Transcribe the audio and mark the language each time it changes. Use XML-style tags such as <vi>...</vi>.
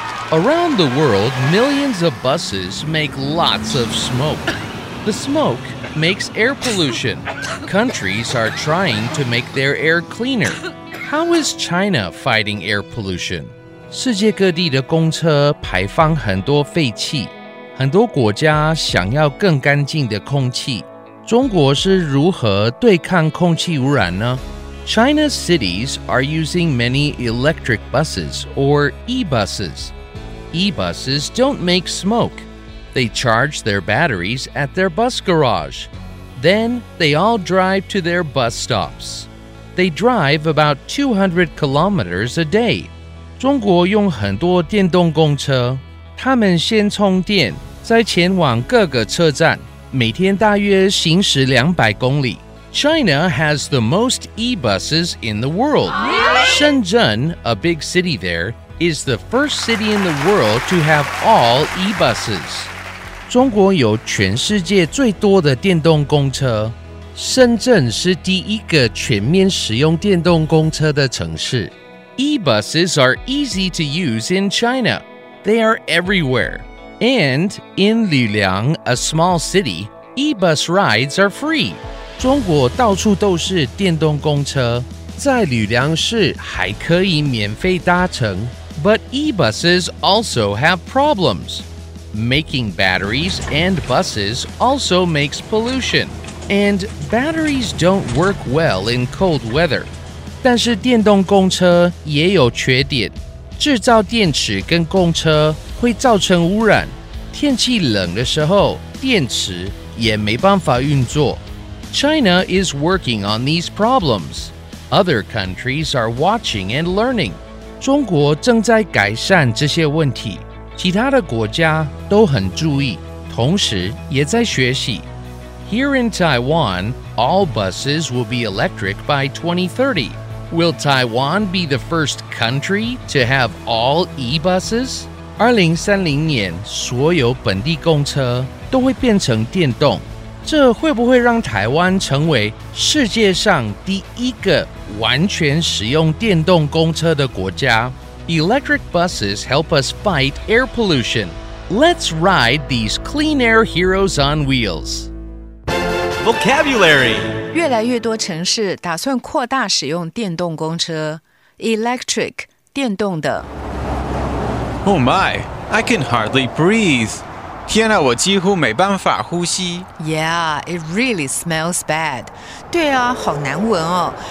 <en>Around the world, millions of buses make lots of smoke. The smoke makes air pollution. Countries are trying to make their air cleaner. How is China fighting air pollution?</en> <zh>世界各地的公车排放很多废气，很多国家想要更干净的空气。中国是如何对抗空气污染呢？</zh> <en>China's cities are using many electric buses or e-buses. E-buses don't make smoke. They charge their batteries at their bus garage. Then, they all drive to their bus stops. They drive about 200 kilometers a day.</en> <zh>中国用很多电动公车，他们先充电，再前往各个车站，每天大约行驶200公里。</zh> <en>China has the most e-buses in the world. Shenzhen, a big city there,is the first city in the world to have all e-buses.</en> <zh>中国有全世界最多的电动公车，深圳是第一个全面使用电动公车的城市。</zh> <en>E-buses are easy to use in China. They are everywhere. And in 吕梁, a small city, e-bus rides are free.</en> <zh>中国到处都是电动公车，在吕梁市还可以免费搭乘。</zh> <en>But e-buses also have problems. Making batteries and buses also makes pollution. And batteries don't work well in cold weather.</en> <zh>但是电动公车也有缺点。制造电池跟公车会造成污染。天气冷的时候，电池也没办法运作。</zh> <en>China is working on these problems. Other countries are watching and learning.</en> <zh>中国正在改善这些问题，其他的国家都很注意，同时也在学习。</zh> <en>Here in Taiwan, all buses will be electric by 2030. Will Taiwan be the first country to have all e-buses?</en> <zh>2030年，所有本地公车都会变成电动，这会不会让台湾成为世界上第一个完全使用电动公车的国家？</zh> <en>Electric buses help us fight air pollution. Let's ride these clean air heroes on wheels. Vocabulary.</en> <zh>越来越多城市打算扩大使用电动公车。</zh> <en>Electric,</en> <zh>电动的。</zh> <en>Oh my, I can hardly breathe.</en> <zh>天啊，我几乎没办法呼吸。</zh> <en>Yeah, it really smells bad.</en> <zh>对啊，好难闻哦。</zh>